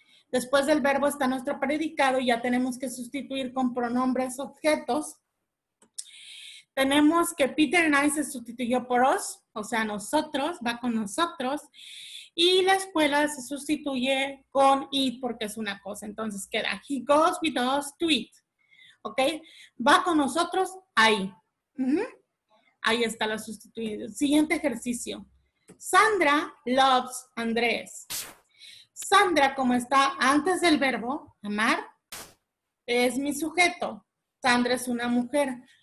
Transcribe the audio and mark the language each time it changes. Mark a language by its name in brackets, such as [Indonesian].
[Spanish] Después del verbo está nuestro predicado y ya tenemos que sustituir con pronombres objetos. tenemos que [English] Peter and I [Spanish] se sustituyó por us, o sea, nosotros, va con nosotros. Y la escuela se sustituye con it porque es una cosa. Entonces queda, [English] he goes with us to it. [Spanish] ¿Ok? Va con nosotros ahí. Ahí está la sustitución. Siguiente ejercicio. [English] Sandra loves Andrés. [Spanish] Sandra, como está antes del verbo amar, es mi sujeto. Sandra es una mujer.